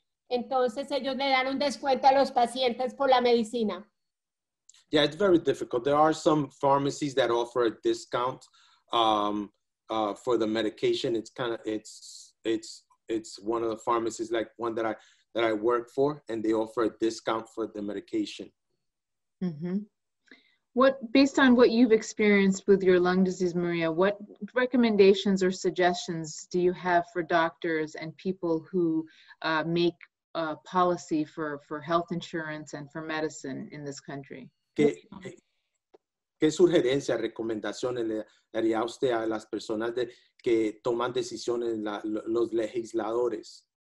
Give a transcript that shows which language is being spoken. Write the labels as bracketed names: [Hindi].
[Spanish] Entonces ellos le dan un descuento a los pacientes por la medicina. [English] Yeah, it's very difficult. There are some pharmacies that offer a discount for the medication. It's kind of it's one of the pharmacies like one that I work for, and they offer a discount for the medication. Mm-hmm. What, based on what you've experienced with your lung disease, Maria, what recommendations or suggestions do you have for doctors and people who make a policy for health insurance and for medicine in this country? [Spanish] ¿Qué sugerencias, recomendaciones le daría usted a las personas que toman decisiones, los legisladores?